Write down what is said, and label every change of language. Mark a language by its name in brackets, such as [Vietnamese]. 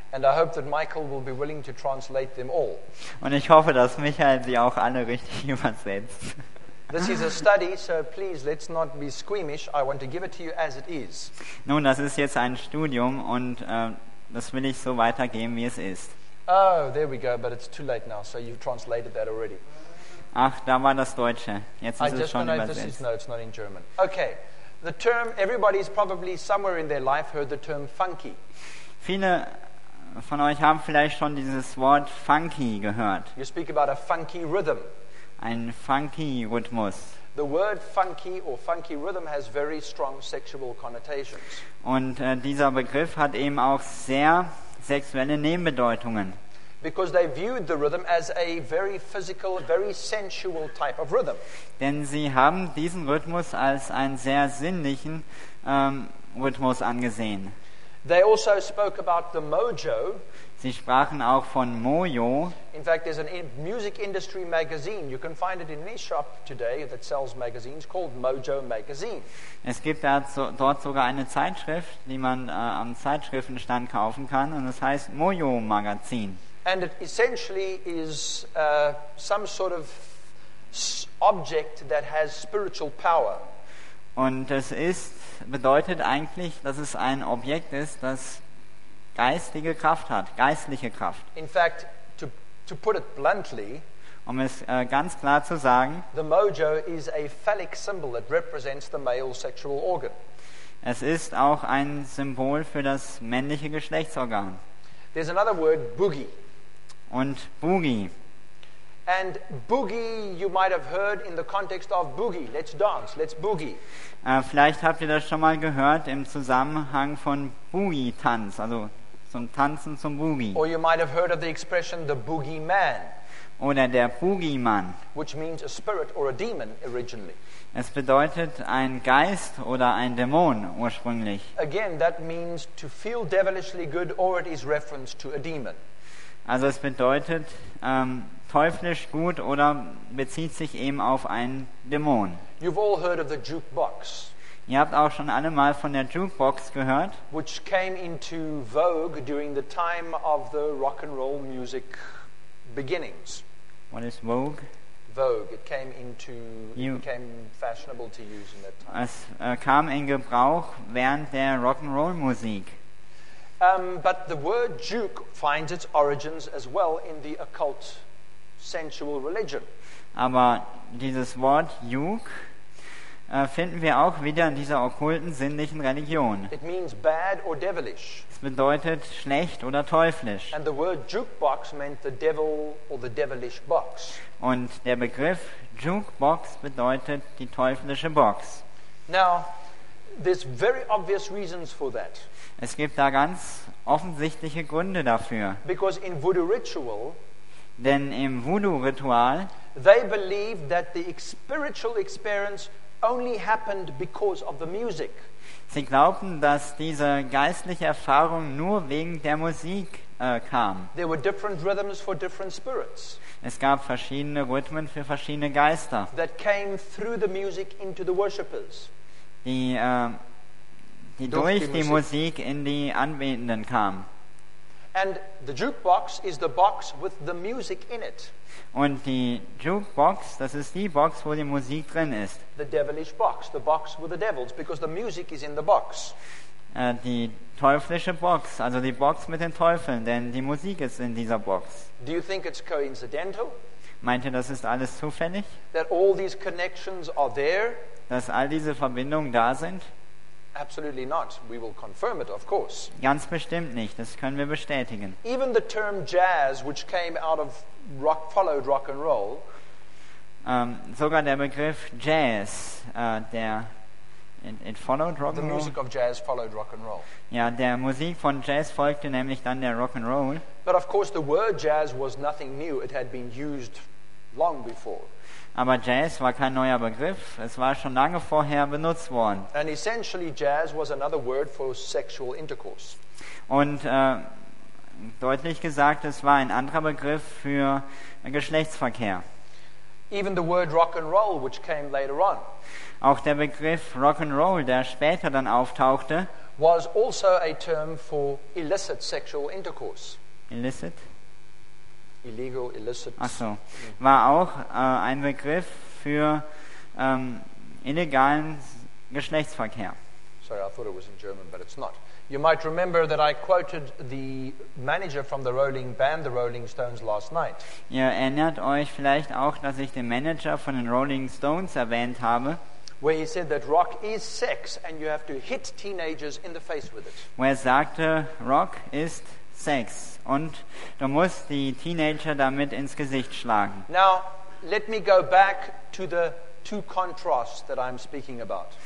[English] And I hope that Michael will be willing to translate them all. [German] Und ich hoffe, dass Michael sie auch alle richtig übersetzt. [English] This is a study, so please let's not be squeamish. I want to give it to you as it is. [German] Nun, das ist jetzt ein Studium und das will ich so weitergeben, wie es ist. [English] Oh, there we go, but it's too late now, so you've translated that already. [German] Ach, da war das Deutsche. Jetzt ist [English] I [German] es schon [English] know, [German] übersetzt. [English] This is, no, it's not in German. Okay, the term, everybody's probably somewhere in their life heard the term funky. [German] Viele von euch haben vielleicht schon dieses Wort funky gehört. [English] You speak about a funky rhythm. [German] Ein funky Rhythmus. [English] The word funky or funky rhythm has very strong sexual connotations. [German] Und dieser Begriff hat eben auch sehr sexuelle Nebenbedeutungen. [English] Because they viewed the rhythm as a very physical, very sensual type of rhythm. [German] Denn sie haben diesen Rhythmus als einen sehr sinnlichen Rhythmus angesehen. [English] They also spoke about the mojo. [German] Sie sprachen auch von Mojo. [English] In fact, there's a music industry magazine. You can find it in any shop today that sells magazines called Mojo Magazine. [German] Es gibt dort sogar eine Zeitschrift, die man am Zeitschriftenstand kaufen kann, und es heißt Mojo Magazin. [English] And it essentially is some sort of object that has spiritual power. [German] Und es bedeutet eigentlich, dass es ein Objekt ist, das geistige Kraft hat, geistliche Kraft. [English] In fact, to put it bluntly, [German] um es ganz klar zu sagen, [English] the mojo is a phallic symbol that represents the male sexual organ. [German] Es ist auch ein Symbol für das männliche Geschlechtsorgan. [English] There's another word, boogie. [German] Und boogie. [English] And boogie, you might have heard in the context of boogie. Let's dance, let's boogie. [German] Vielleicht habt ihr das schon mal gehört im Zusammenhang von Boogie-Tanz, also zum Tanzen zum Boogie. [English] Or you might have heard of the expression the boogeyman. [German] Oder der Boogeyman. [English] Which means a spirit or a demon originally. [German] Es bedeutet ein Geist oder ein Dämon ursprünglich. [English] Again, that means to feel devilishly good, or it is reference to a demon. [German] Also es bedeutet teuflisch gut oder bezieht sich eben auf einen Dämon. [English] You've all heard of the jukebox. [German] Ihr habt auch schon alle mal von der Jukebox gehört. [English] Which came into vogue during the time of the rock and roll music beginnings. What is vogue? Vogue. It came into became fashionable to use in that time. [German] Es kam in Gebrauch während der Rock and Roll Musik. [English] But the word juke finds its origins as well in the occult sensual religion. [German] Aber dieses Wort juke finden wir auch wieder in dieser okkulten sinnlichen Religion. [English] It means bad or devilish. [German] Es bedeutet schlecht oder teuflisch. [English] And the word jukebox meant the devil or the devilish box. [German] Und der Begriff jukebox bedeutet die teuflische Box. [English] Now, there's very obvious reasons for that. [German] Es gibt da ganz offensichtliche Gründe dafür. [English] Because in Voodoo ritual, [German] Denn im Voodoo-Ritual, [English] they believed that the spiritual experience only happened because of the music. [German] Sie glaubten, dass diese geistliche Erfahrung nur wegen der Musik kam. [English] There were different rhythms for different spirits. [German] Es gab verschiedene Rhythmen für verschiedene Geister. [English] That came through the music into the worshippers. [German] Die durch die Musik in die Anbetenden kam. [English] And the jukebox is the box with the music in it. [German] Und die Jukebox, das ist die Box, wo die Musik drin ist. [English] The devilish box, the box with the devils, because the music is in the box. [German] Die teuflische Box, also die Box mit den Teufeln, denn die Musik ist in dieser Box. [English] Do you think it's coincidental? [German] Meint ihr, das ist alles zufällig? [English] That all these connections are there? [German] Dass all diese Verbindungen da sind? [English] Absolutely not. We will confirm it, of course. [German] Ganz bestimmt nicht. Das können wir bestätigen. [English] Even the term jazz, which came out of rock, followed rock and roll. [German] Sogar der Begriff Jazz, der [English] it followed rock the music roll. Of jazz followed rock and roll. [German] Ja, der Musik von Jazz folgte nämlich dann der Rock and Roll. [English] But of course, the word jazz was nothing new. It had been used long before. [German] Aber Jazz war kein neuer Begriff. Es war schon lange vorher benutzt worden. [English] And essentially, jazz was another word for sexual intercourse. [German] Und deutlich gesagt, es war ein anderer Begriff für Geschlechtsverkehr. [English] Even the word rock and roll, which came later on. [German] Auch der Begriff Rock and Roll, der später dann auftauchte, [English] was also a term for illicit sexual intercourse. Illicit? Illegal, illicit. [German] Ach so. War auch ein Begriff für illegalen Geschlechtsverkehr. [English] Sorry, I thought it was in German, but it's not. You might remember that I quoted the manager from the Rolling Band, the Rolling Stones, last night. [German] Ihr erinnert euch vielleicht auch, dass ich den Manager von den Rolling Stones erwähnt habe. [English] Where he said that rock is sex and you have to hit teenagers in the face with it. [German] Where sagte, Rock ist Sex und du musst die Teenager damit ins Gesicht schlagen. [English] Now, let me go back to the two contrasts that I'm speaking about.